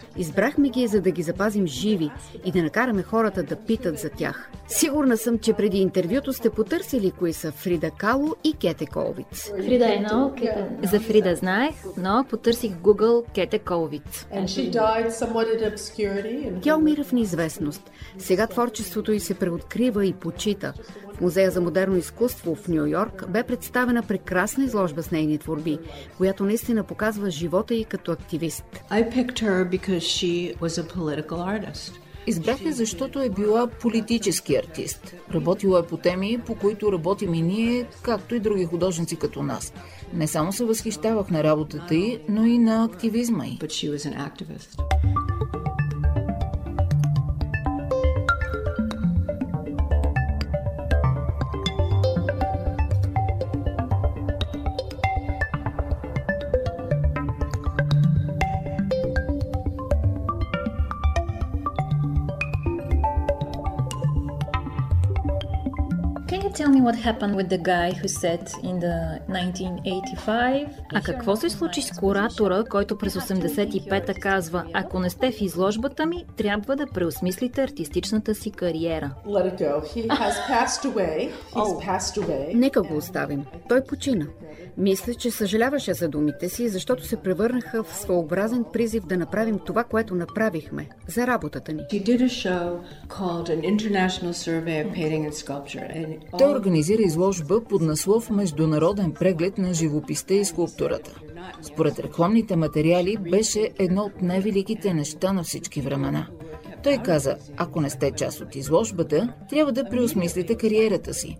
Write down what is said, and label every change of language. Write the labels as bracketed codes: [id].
[bg] Избрахме ги, за да ги запазим живи и да накараме хората да питат за тях. Сигурна съм, че преди интервюто сте потърсили кои са Фрида Кало и Кете Колвиц. Фрида е много Кете. За Фрида знаех, но потърсих Google Кете Колвиц. Тя умира в неизвестност. Сега творчеството ѝ се преоткрива и почита. Музея за модерно изкуство в Нью-Йорк бе представена прекрасна изложба с нейни творби, която наистина показва живота ѝ като активист. Избрах я, защото е била политически артист. Работила е по теми, по които работим и ние, както и други художници като нас. Не само се възхищавах на работата й, но и на активизма й. [en] But she was an activist. Tell me what happened with the guy who said in the 1985. [bg] А какво се случи с куратора, който през 85-та казва: "Ако не сте в изложбата ми, трябва да преосмислите артистичната си кариера." [en] Let it go. He has passed away. He's passed away. [bg] Нека го оставим. Той почина. Мисля, че съжаляваше за думите си, защото се превърнаха в своеобразен призив да направим това, което направихме за работата ни. [en] He did a show called an International Survey of Painting and Sculpture. [bg] Той организира изложба под наслов Международен преглед на живописта и скулптурата. Според рекламните материали, беше едно от най-великите неща на всички времена. Той каза: ако не сте част от изложбата, трябва да преосмислите кариерата си.